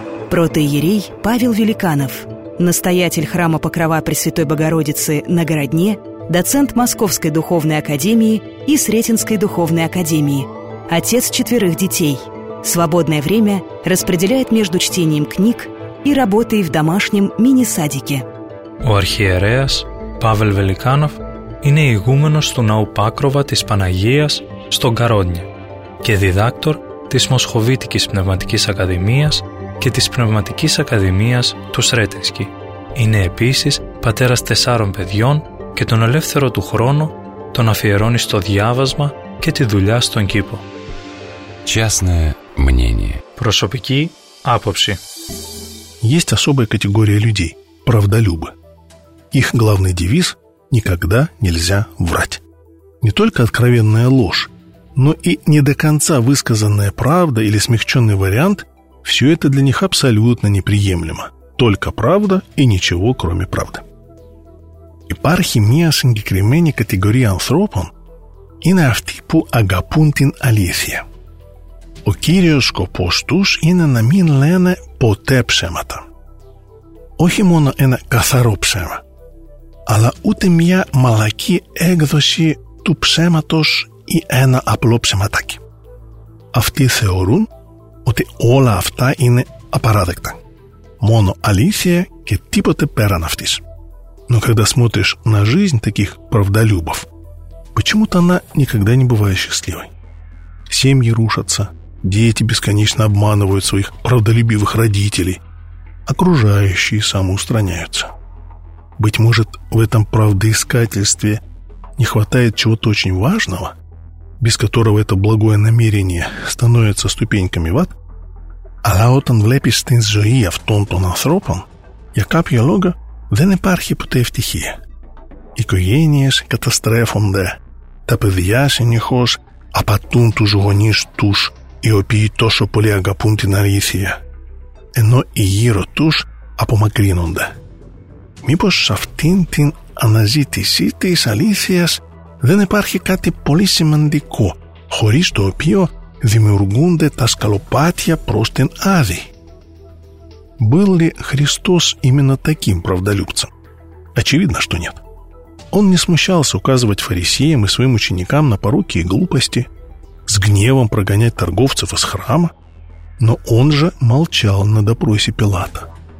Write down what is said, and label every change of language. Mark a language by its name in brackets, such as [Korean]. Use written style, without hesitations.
[Russian] Протоиерей Павел Великанов, настоятель храма Покрова Пресвятой Богородицы на Городне, доцент Московской Духовной Академии и Сретенской Духовной Академии, отец четверых детей. Свободное время распределяет между чтением книг и работой в домашнем мини-садике. [Greek] У архиереас Павел Великанов είναι игуменος του Ναού Πάκροβα της Παναγίας στο Γκαρόντια και διδάκτορ της Μοσχοβίτικης Πνευματικής Ακαδημίας και της Πνευματικής Ακαδημίας του Σρέτενσκι. Είναι επίσης πατέρας τεσσάρων παιδιών και τον ελεύθερο του χρόνο τον αφιερώνει στο διάβασμα και τη δουλειά στον κήπο. [Russian] Частное мнение. [Greek] Προσωπική άποψη. [Russian] Есть особая категория людей – правдолюбы. Их главный девиз – никогда нельзя врать. Не только откровенная ложь, но и не до конца высказанная правда или смягченный вариант – все это для них абсолютно неприемлемо. Только правда и ничего, кроме правды. [Greek] Υπάρχει μια συγκεκριμένη κατηγορία ανθρώπων, είναι αυτοί που αγαπούν την αλήθεια. Ο κύριος σκοπός τους είναι να μην λένε ποτέ ψέματα. Όχι μόνο ένα καθαρό ψέμα, αλλά ούτε μια μαλακή έκδοση του ψέματος ή ένα απλό ψεματάκι. Αυτοί θεωρούν ότι όλα αυτά είναι απαράδεκτα. Μόνο αλήθεια και τίποτε πέραν αυτής. [Russian] Но когда смотришь на жизнь таких правдолюбов, почему-то она никогда не бывает счастливой. Семьи рушатся, дети бесконечно обманывают своих правдолюбивых родителей, окружающие самоустраняются. Быть может, в этом правдоискательстве не хватает чего-то очень важного, без которого это благое намерение становится ступеньками в ад? [Greek] Αλλά όταν βλέπεις την ζωή αυτών των ανθρώπων, για κάποιο λόγο δεν υπάρχει ποτέ ευτυχία. Οικογένειες καταστρέφονται, τα παιδιά συνεχώς απατούν τους γονείς τους, οι οποίοι τόσο πολύ αγαπούν την αλήθεια, ενώ οι γύρω τους απομακρύνονται. Μήπως σε αυτήν την αναζήτησή της αλήθειας δεν υπάρχει κάτι πολύ σημαντικό, χωρίς το οποίο δημιουργούνται τα σκαλοπάτια προς την άδη. [Russian] Был ли Христос именно таким правдолюбцем? Очевидно, что нет. Он не смущался указывать фарисеям и своим ученикам на пороки и глупости, с гневом прогонять торговцев из храма, но он же молчал на допросе Пилата.